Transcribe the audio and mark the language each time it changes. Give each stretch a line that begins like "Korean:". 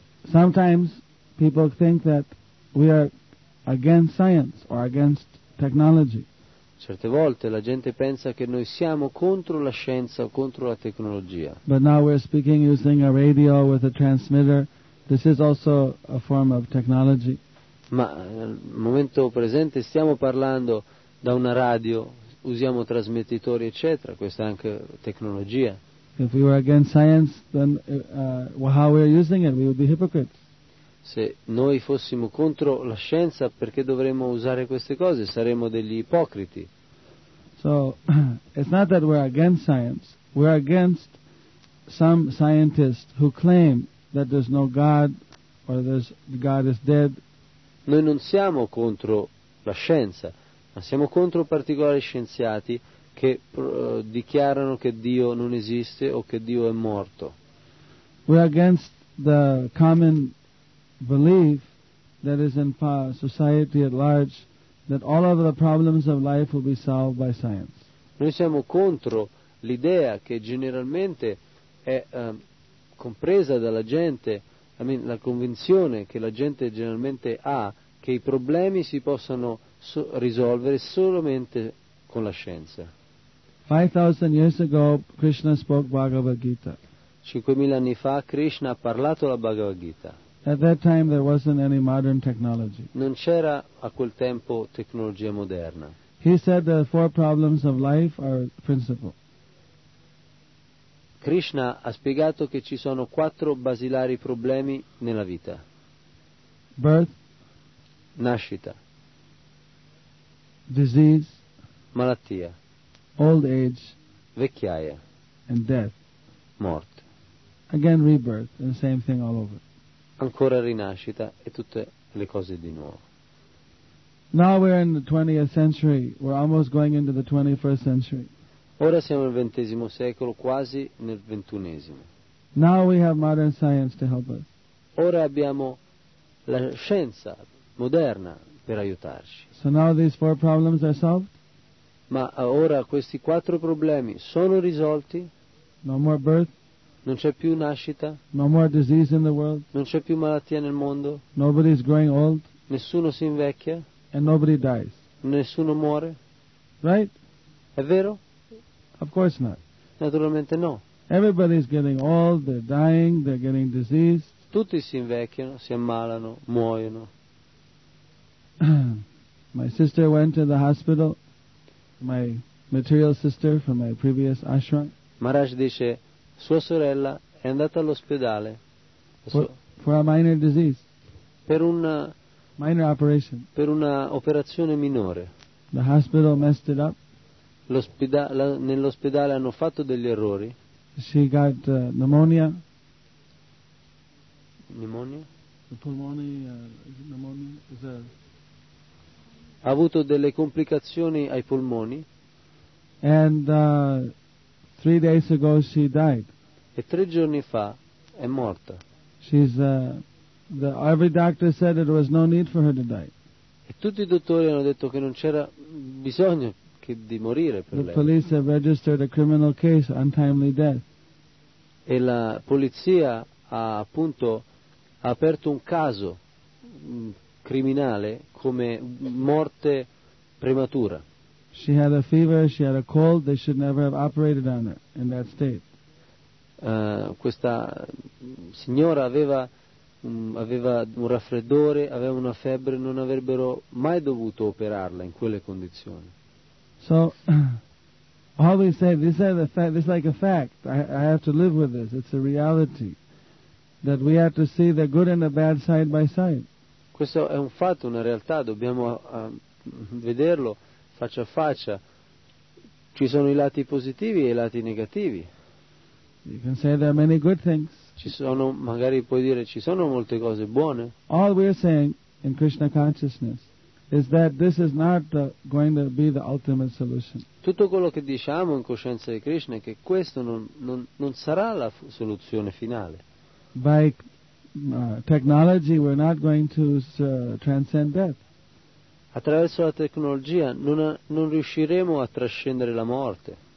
English: Sometimes people think that we are against science or against technology.
Italian: Certe volte la gente pensa che noi siamo contro la scienza o contro la tecnologia.
English: But now we're speaking using a radio with a transmitter. This is also a form of technology.
Italian: Ma al momento presente stiamo parlando da una radio, usiamo trasmettitori, eccetera. Questa è anche tecnologia.
English: If we were against science, then how we are using it, we would be hypocrites.
Italian: Se noi fossimo contro la scienza, perché dovremmo usare queste cose? Saremmo degli ipocriti.
English: So, it's not that we're against science. We're against some scientists who claim that there's no God or that God is dead.
Italian: Noi non siamo contro la scienza, ma siamo contro particolari scienziati che dichiarano che Dio non esiste o che Dio è morto.
English: We're against the common belief that is in society at large that all of the problems of life will be solved by science.
Italian: Noi siamo contro l'idea che generalmente è compresa dalla gente, la convinzione che la gente generalmente ha che i problemi si possano risolvere solamente con la scienza.
English: 5,000 years ago, Krishna spoke Bhagavad Gita.
Italian: 5,000 anni fa, Krishna ha parlato la Bhagavad Gita.
English: At that time, there wasn't any modern technology.
Italian: Non c'era a quel tempo tecnologia moderna.
English: He said the four problems of life are principal.
Italian: Krishna ha spiegato che ci sono quattro basilari problemi nella vita.
English: Birth,
Italian: nascita.
English: Disease,
Italian: malattia.
English: Old age,
Italian: vecchiaia.
English: And death,
Italian: morte.
English: Again rebirth, the same thing all over.
Italian: Ancora rinascita e tutte le cose di nuovo.
English: Now we're in the 20th century. We're almost going into the 21st century.
Italian: Ora siamo nel 20° secolo, quasi nel 21°.
English: Now we have modern science to help us.
Italian: Ora abbiamo la scienza moderna per aiutarci.
English: So now these four problems are solved?
Italian: Ma ora questi quattro problemi sono risolti?
English: No more birth?
Italian: Non c'è più nascita?
English: No more disease in the world?
Italian: Non c'è più malattia nel mondo?
English: Nobody is growing old?
Italian: Nessuno si invecchia?
English: And nobody dies?
Italian: Nessuno muore?
English: Right?
Italian: È vero?
English: Of course not.
Italian: Naturalmente no.
English: Everybody is getting old, they're dying, they're getting diseased.
Italian: Tutti si invecchiano, si ammalano, muoiono.
English: My sister went to the hospital. My material sister from my previous ashram.
Italian: Maharaj dice, sua sorella è andata all'ospedale.
English: For a minor disease.
Italian: Per una
English: minor operation.
Italian: Per una operazione minore.
English: The hospital messed it up.
Italian: Nell'ospedale hanno fatto degli errori.
English: She got pneumonia. Pneumonia? The pulmonary pneumonia is a.
Italian: Ha avuto delle complicazioni ai polmoni.
English: And, 3 days ago she died.
Italian: E 3 giorni fa è morta.
English: Every doctor said there was no need for her to die.
Italian: E tutti i dottori hanno detto che non c'era bisogno di morire per
English: the
Italian: lei.
English: The police have registered a criminal case, untimely death.
Italian: E la polizia ha appunto aperto un caso criminale come morte prematura.
English: She had a fever, she had a cold, they should never have operated on her in that state.
Italian: Questa signora aveva un raffreddore, aveva una febbre, non avrebbero mai dovuto operarla in quelle condizioni.
English: So all we say, this is like a fact. I have to live with this. It's a reality that we have to see the good and the bad side by side.
Italian: Questo è un fatto, una realtà, dobbiamo vederlo faccia a faccia. Ci sono i lati positivi e i lati negativi.
English: You can say there are many good things.
Italian: Ci sono, magari puoi dire, ci sono molte cose buone.
English: All we are saying in Krishna consciousness is that this is not going to be the ultimate solution.
Italian: Tutto quello che diciamo in coscienza di Krishna è che questo non sarà la soluzione finale.
English: By technology we're not going to transcend death.
Italian: Attraverso la tecnologia non riusciremo a trascendere la morte.